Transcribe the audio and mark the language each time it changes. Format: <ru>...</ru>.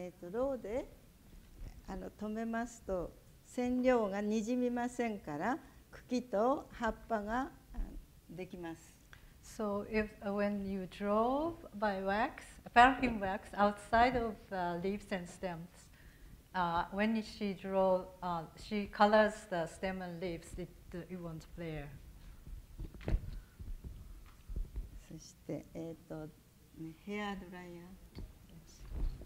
<ja>ローで留めますと染料がにじみませんから茎と葉っぱができます。</ja> <en>So if when you draw by wax, paraffin wax outside of leaves and stems, when she draw, she colors the stem and leaves, it won't flare.</en> <ja>そしてヘアドライヤー。</ja>